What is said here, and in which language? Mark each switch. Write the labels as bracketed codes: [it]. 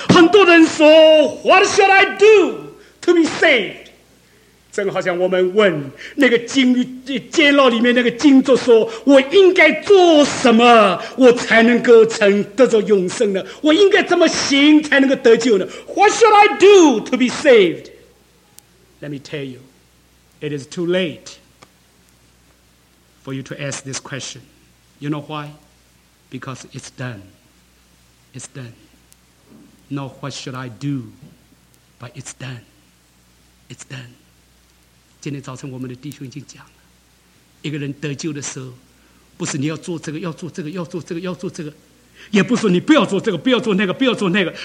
[zh] 很多人说 [en] What shall I do to be saved？ [zh] 正好像我们问那个监牢里面那个金座说，我应该做什么我才能够成得着永生呢？我应该怎么行才能够得救呢？ [en] What shall I do to be saved？ Let me tell you， It is too late for you to ask this question。 You know why？ Because it's done. It's done. Not what should I do, but it's done. It's done. [zh] 今天早晨我们的弟兄已经讲了，一个人得救的时候，不是你要做这个，要做这个，要做这个，要做这个，也不说你不要做这个，不要做那个，不要做那个。